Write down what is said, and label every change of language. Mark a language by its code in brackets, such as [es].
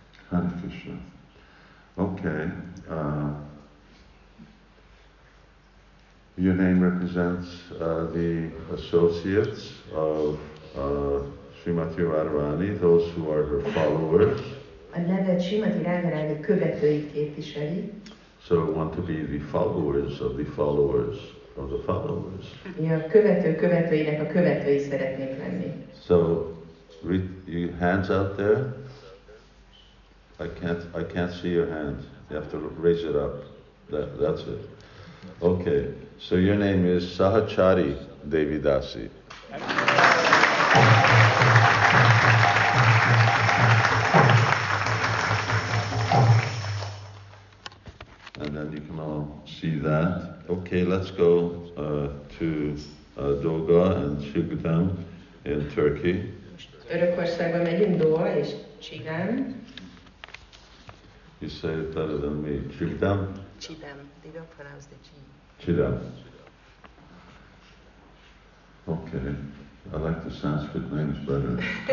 [en] Hare Krishna. Okay. Your name represents the associates of Srimati Radharani, those who are her followers. [hu] A neve Srimati Radharani követőit képviseli. [en] So want to be the followers of the followers of the followers. [hu] Mi a követő követőinek a követői szeretnék lenni. [en] So, with your hands out there. I can't see your hand. You have to raise it up. That's it. Okay. So your name is Sahachari Devi Dasi. And then you can all see that. Okay, let's go to Doga and Çigan in Turkey. [hu] Örökországba megyünk, Doga és Çigan. [en] You say it better than me. Çigan? Çigan. They don't pronounce the G. Çigan. Okay. I like the Sanskrit names better.